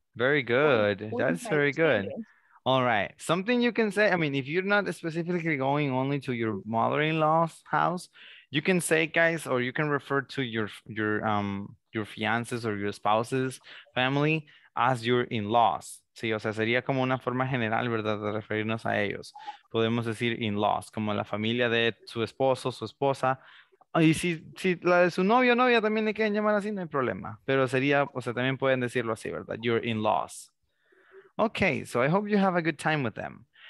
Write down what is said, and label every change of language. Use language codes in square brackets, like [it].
[en] Very good. That's very good. All right. Something you can say, I mean, if you're not specifically going only to your mother-in-law's house, you can say, guys, or you can refer to your fiancés or your spouse's family as your in-laws. [es] Sí, o sea, sería como una forma general, ¿verdad?, de referirnos a ellos. Podemos decir in-laws, como la familia de su esposo, su esposa. Y si la de su novio o novia también le quieren llamar así, no hay problema. Pero sería, o sea, también pueden decirlo así, ¿verdad? [en] Your in-laws. Okay, so I hope you have a good time with them.